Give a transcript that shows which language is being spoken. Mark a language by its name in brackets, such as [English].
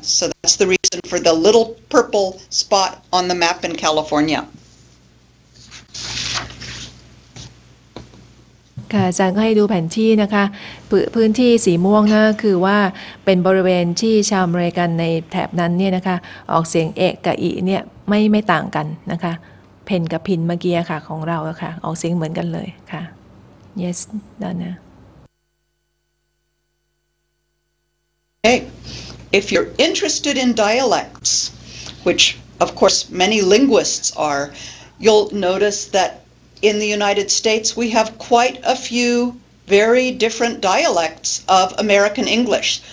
[English] So that's the reason for the little purple spot on the map in California. [Thai] ค่ะอาจารย์ก็ให้ดูแผนที่นะคะพื้นที่สีม่วงนะคือว่าเป็นบริเวณที่ชาวอเมริกันในแถบนั้นเนี่ยนะคะออกเสียงเอกับอีเนี่ยไม่ต่างกันนะคะเพนกับพินเมื่อกี้ค่ะของเราค่ะออกเสียงเหมือนกันเลยค่ะ [English] Yes Donna Okay, if you're interested in dialects, which of course many linguists are, you'll notice that in the United States we have quite a few very different dialects of American English.